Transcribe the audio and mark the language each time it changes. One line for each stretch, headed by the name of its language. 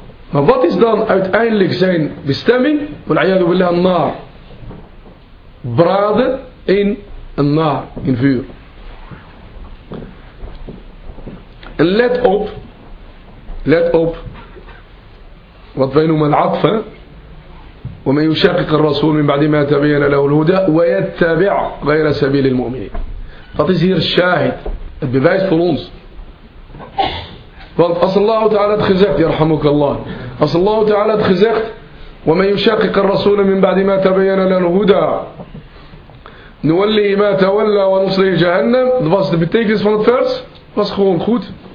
Dutch: Maar wat is dan uiteindelijk zijn bestemming?
Arabic: Wal'ayadu billah,
Dutch: naar. Braden in een naar, in vuur. En let op, wat wij noemen al-atf.
Arabic: ومن يشقق الرسول من بعد ما تبين له الهدى ويتبع غير سبيل المؤمنين.
Dutch: Dat is hier الشاهد, het bewijs voor ons. Want als Allah Ta'ala had gezegd,
Arabic: يرحمك الله,
Dutch: als Allah Ta'ala had gezegd,
Arabic: ومن يشقق الرسول من بعد ما تبين له الهدى نولي ما تولى ونصره جهنم,
Dutch: dat was de betekenis van het vers, was gewoon goed.